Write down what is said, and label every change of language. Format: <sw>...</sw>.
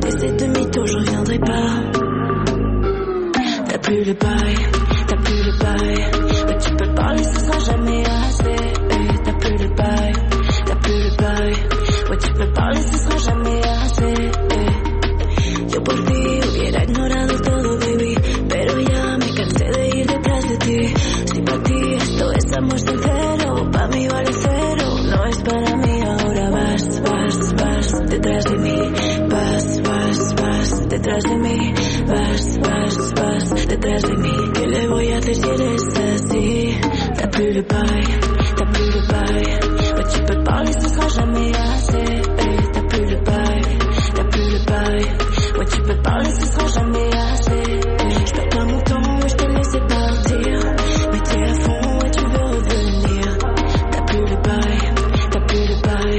<fr>T'es cette mytho, je reviendrai pas. T'as plus le bail, t'as plus le bail. Bah tu peux parler, ce sera jamais assez. T'as plus le bail, t'as plus le bail. Ouais tu peux parler, ce sera jamais assez.</fr> <es>Yo por ti hubiera ignorado todo, baby. Pero ya me cansé de ir detrás de ti. Si pa' ti esto es amor sincero, pa' mí vale cero. No es para mí, ahora vas, vas, vas detrás de mí. Vas, vas, vas detrás de mí. Vas, vas, vas detrás de mí. ¿Qué le voy a hacer si eres así?</es> <fr>Da plus le pay, da plus le pay. Ouais tu peux parler, ce sera jamais assez. Da plus le pay, da plus le pay. Ouais tu peux parler, ce sera jamais assez. Je perds pas mon temps, mais je te laisse partir. Mais t'es à fond, ouais tu veux revenir. T'as plus le bail, t'as plus le bail.</fr>